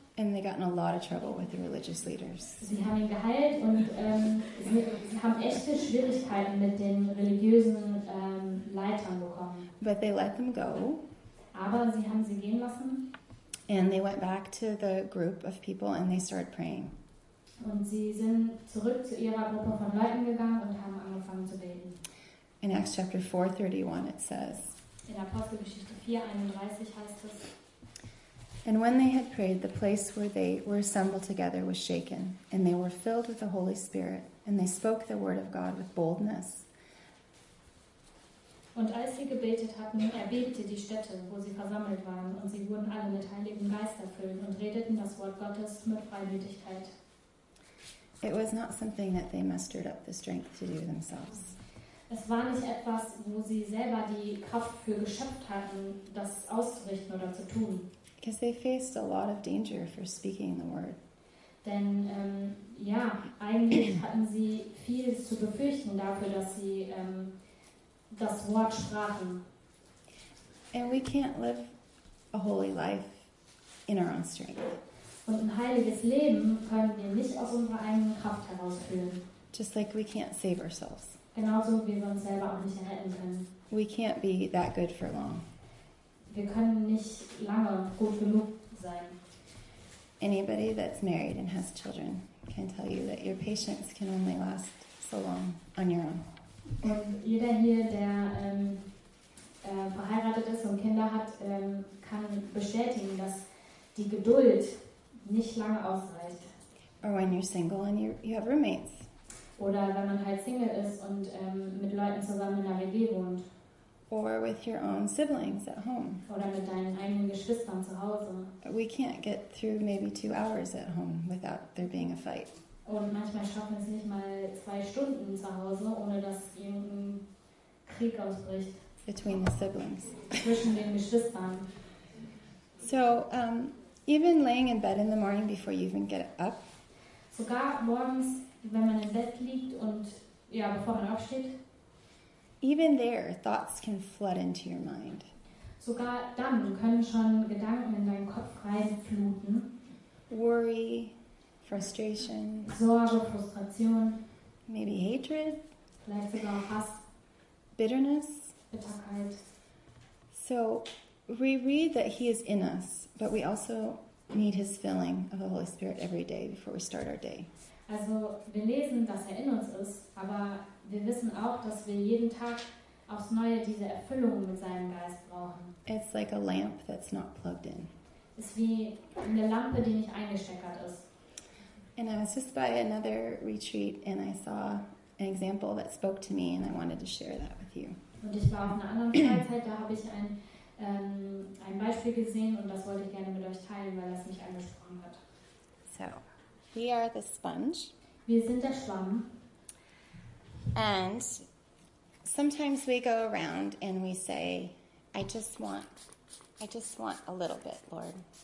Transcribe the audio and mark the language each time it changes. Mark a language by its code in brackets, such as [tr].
[en] And they got in a lot of trouble with the religious leaders. [de] Sie haben ihn geheilt und sie haben echte Schwierigkeiten mit den religiösen Leitern bekommen. [en] But they let them go. [de] Aber sie haben sie gehen lassen. [en] And they went back to the group of people and they started praying. [de] Und sie sind zurück zu ihrer Gruppe von Leuten gegangen und haben angefangen zu beten. [en] In Acts chapter 4:31 it says. [de] In Apostelgeschichte 4:31 heißt es. [en] And when they had prayed, the place where they were assembled together was shaken, and they were filled with the Holy Spirit, and they spoke the word of God with boldness. [de] Und als sie gebetet hatten, erbebte die Stätte, wo sie versammelt waren, und sie wurden alle mit Heiligem Geist erfüllt und redeten das Wort Gottes mit Freimütigkeit. [en] It was not something that they mustered up the strength to do themselves. [de] Es war nicht etwas, wo sie selber die Kraft für geschöpft hatten, das auszurichten oder zu tun. [en] Because they faced a lot of danger for speaking the word. [de] Denn eigentlich hatten sie viel zu befürchten dafür, dass sie das Wort sprachen. [en] And we can't live a holy life in our own strength. [de] Und ein heiliges Leben können wir nicht aus unserer eigenen Kraft herausführen. [en] Just like we can't save ourselves. [de] Genauso wie wir uns selber auch nicht erretten können. [en] We can't be that good for long. [de] Wir können nicht lange gut genug sein. [en] Anybody that's married and has children can tell you that your patience can only last so long on your own. [de] Und jeder hier, der verheiratet ist und Kinder hat, kann bestätigen, dass die Geduld nicht lange ausreicht. [en] Or when you're single and you have roommates. [de] Oder wenn man halt Single ist und mit Leuten zusammen in der WG wohnt. [en] Or with your own siblings at home. [de] Oder mit deinen eigenen Geschwistern zu Hause. [en] We can't get through maybe 2 hours at home without there being a fight. [de] Und manchmal schaffen es nicht mal 2 Stunden zu Hause, ohne dass irgendein Krieg ausbricht. [en] Between the siblings. [de] Zwischen den Geschwistern. [en] So, even laying in bed in the morning before you even get up. [de] Sogar morgens, wenn man im Bett liegt und ja, bevor man aufsteht. [en] Even there, thoughts can flood into your mind. [de] Sogar dann können schon Gedanken in deinen Kopf reinfluten. [en] Worry, frustration. [de] Sorge, Frustration. [en] Maybe hatred. [de] Vielleicht sogar auch Hass. [en] Bitterness. [de] Bitterkeit. [en] So, we read that he is in us, but we also need his filling of the Holy Spirit every day before we start our day. [de] Also, wir lesen, dass er in uns ist, aber wir wissen auch, dass wir jeden Tag aufs Neue diese Erfüllung mit seinem Geist brauchen. [en] It's like a lamp that's not plugged in. [de] Ist wie eine Lampe, die nicht eingesteckert ist. [en] And I was just by another retreat and I saw an example that spoke to me and I wanted to share that with you. [de] Und ich war auf einer anderen Freizeit, da habe ich ein Beispiel gesehen und das wollte ich gerne mit euch teilen, weil das mich angesprochen hat. [en] So, we are the sponge. [de] Wir sind der Schwamm. [en] And sometimes we go around and we say, I just want a little bit, Lord.